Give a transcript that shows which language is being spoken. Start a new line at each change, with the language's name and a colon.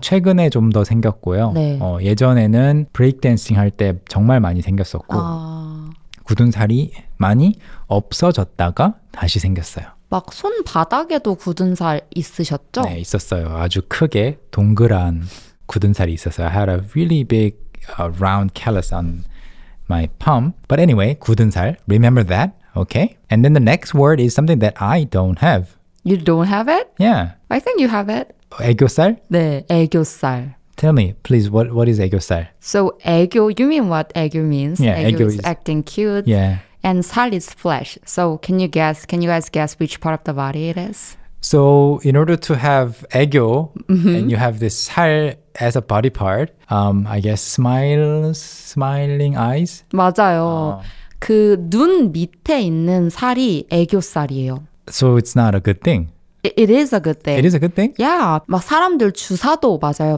Korean: 최근에 좀 더 생겼고요. 네. 어, 예전에는 브레이크댄싱 할 때 정말 많이 생겼었고 아... 굳은 살이 많이 없어졌다가 다시 생겼어요. 막 손바닥에도 굳은 살 있으셨죠? 네, 있었어요. 아주 크게 동그란 굳은 살이 있었어요.
English: I had a really big round callus on my palm. But anyway, 굳은 살, remember that. Okay, and then the next word is something that I don't have. You don't have it? Yeah. I think you have it.
Korean: 애교살? 네, 애교살.
English: Tell me, please, what is 애교살? So 애교, you mean what 애교 means? Yeah, 애교, 애교 is acting cute. Yeah. And 살 is flesh. So can you guess, can you guys guess which part of the body it is? So in order to have 애교, and you have this 살 as a body part, I guess smiles, smiling eyes?
Korean: 맞아요. 그 눈 밑에 있는 살이 애교살이에요.
English: So it's not a good thing. It is a good thing. It is a good thing? Yeah.
Korean: 막 사람들 주사도 맞아요.